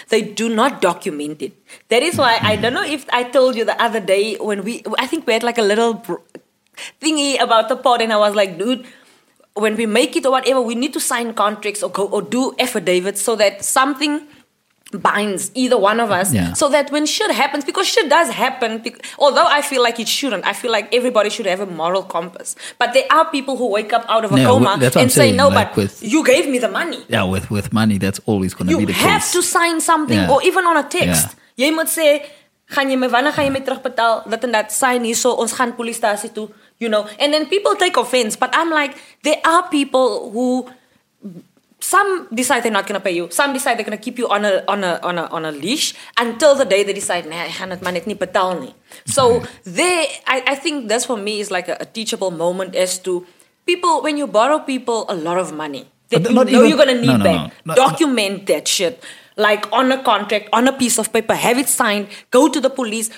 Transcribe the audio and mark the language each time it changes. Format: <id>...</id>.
<en>They do not document it. That is why, I don't know if I told you the other day when I think we had like a little thingy about the pod, and I was like, dude, when we make it or whatever, we need to sign contracts or go or do affidavits so that something binds either one of us so that when shit happens, because shit does happen, although I feel like it shouldn't, I feel like everybody should have a moral compass. But there are people who wake up out of a coma and say, no, like, but with, you gave me the money. Yeah, with money, that's always going to be the case. You have to sign something or even on a text.</en> <af>Jy moet sê, gaan jy my wanneer gaan jy my terugbetaal, dit en dat, sign hier so, ons gaan polisstasie toe,</af> <en>you know. And then people take offense, but I'm like, there are people who... Some decide they're not going to pay you. Some decide they're going to keep you on a leash until the day they decide, nah, I can't manage ni patal ni. So there, I think this for me is like a teachable moment as to people, when you borrow people a lot of money that you know you're going to need back, document that shit, like on a contract, on a piece of paper, have it signed, go to the police.</en>